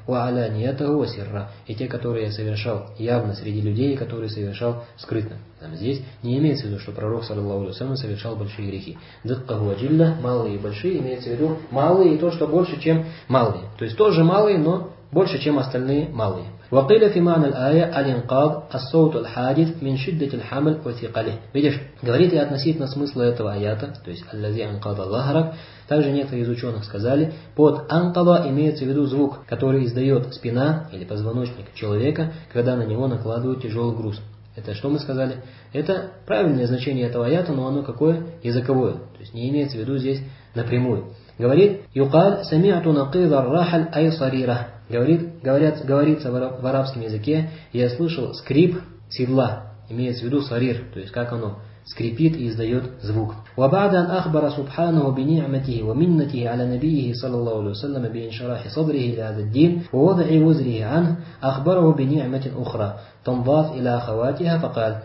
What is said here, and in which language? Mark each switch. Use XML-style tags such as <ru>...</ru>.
<ar>Ва аланиятаху ва сирра,</ar> <ru>и те, которые я совершал явно среди людей, и которые совершал скрытно. Там здесь не имеется в виду, что пророк, саллаллаху алейхи ва саллям, совершал большие грехи.</ru> <ar>Диккаху ва джилла,</ar> <ru>малые и большие, имеется в виду малые и то, что больше, чем малые. То есть тоже малые, но больше, чем остальные малые.</ru> <ar>وقيل في معنى الآية الانقاض الصوت الحادث من شدة الحمل وثقله.</ar> <ru>Видишь, говорит и относительно смысла этого аята, то есть</ru> <ar>الذي انقاض ظهرك.</ar> <ru>Также некоторые из ученых сказали, под анкала имеется в виду звук, который издает спина или позвоночник человека, когда на него накладывают тяжелый груз. Это что мы сказали? Это правильное значение этого аята, но оно какое? Языковое. То есть не имеется в виду здесь напрямую. Говорит,</ru> <ar>يقال سمعت نقيض الرحل أي صريرة.</ar> <ru>Говорится в арабском языке, я слышал скрип седла, имеется в виду сарир, то есть как оно скрипит и издает звук.</ru> <ar>وَبَعْدَ أَنْ أَخْبَرَ سُبْحَانَهُ بِنِعْمَتِهِ وَمِنَّتِهِ عَلَى نَبِيِّهِ صَلَى اللَّهُ عَلَيْهِ وَسَلَّمَ بِإِنْشَرَاحِ صَدْرِهِ لِهَذَا الدِّينِ وَوَضَعِ وُزْرِهِ عَنْهُ أَخْبَرَهُ بِنِعْمَةٍ أُخْرَى تَنْضَافْ إِلَى أَخَوَاتِهَا فَقَالَ.</ar>